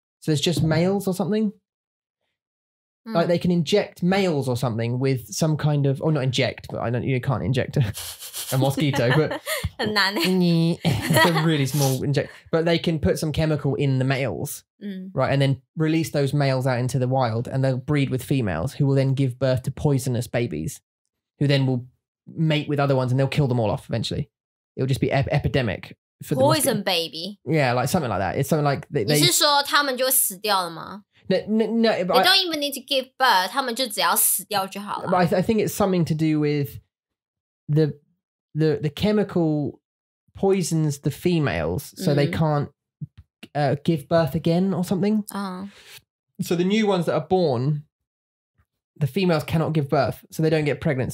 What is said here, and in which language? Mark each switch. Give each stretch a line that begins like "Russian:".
English: So it's just males or something. Like they can inject males or something with some kind of, or not inject, but you can't inject a mosquito, but a really small inject, but they can put some chemical in the males, right? And then release those males out into the wild and they'll breed with females who will then give birth to poisonous babies who then will mate with other ones and they'll kill them all off eventually. It'll just be epidemic. For poison the baby. Yeah, like something like that. It's something like they
Chinese: 你是说他们就死掉了吗?
English: No, they don't even need to give birth.
Chinese: 他们就只要死掉就好了。
English: But I think it's something to do with the chemical poisons the females, so they can't give birth again or something. So the new ones that are born, the females cannot give birth, so they don't get pregnant.